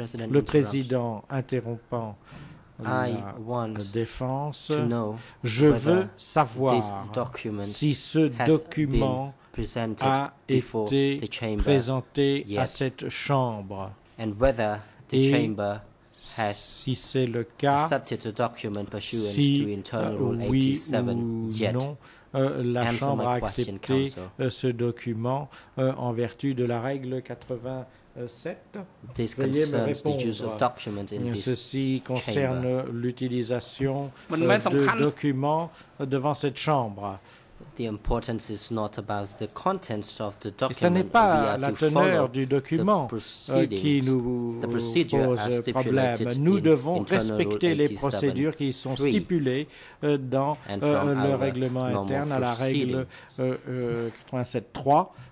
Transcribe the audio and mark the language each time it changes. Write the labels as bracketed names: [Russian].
[French] Le Président interrompant la défense, je veux savoir si ce document a été présenté à cette chambre et si c'est le cas, si oui ou non, la chambre a accepté ce document en vertu de la règle 87. [English] This concerns the use of documents in this [French] ceci [English] chamber. [French] Concerne l'utilisation de documents devant cette chambre. [English] The importance is not about the contents of the document. [French] Et ce n'est pas la teneur du document qui nous pose problème. Nous devons respecter les procédures qui sont stipulées dans le règlement interne à la règle 87.3